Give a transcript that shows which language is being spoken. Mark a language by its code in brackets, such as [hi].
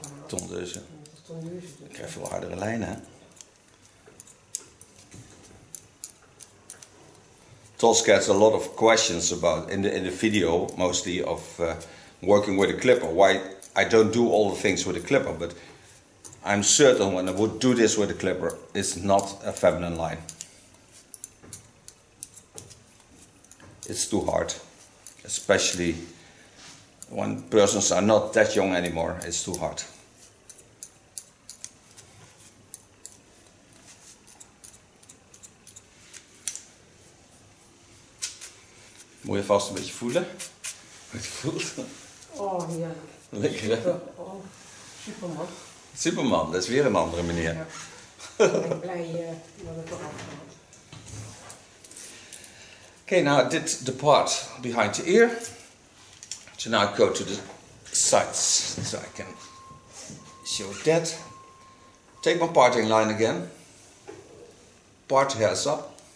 [nl] Ik krijg veel hardere lijnen, hè? [en] TOS gets a lot of questions about in the video, mostly of working with a clipper, why I don't do all the things with a clipper, but I'm certain when I would do this with a clipper, it's not a feminine line. It's too hard, especially when persons are not that young anymore, it's too hard. [nl] Moet je vast een beetje voelen? Hoe het voelt? Oh, ja. Lekker, hè? Superman. Superman, dat is weer een andere manier. Ja. Ik ben blij dat het eraf gaat. [en] Oké, now I did the part behind the ear. So now I go to the sides, so I can show that. Take my parting line again. Part the hairs up.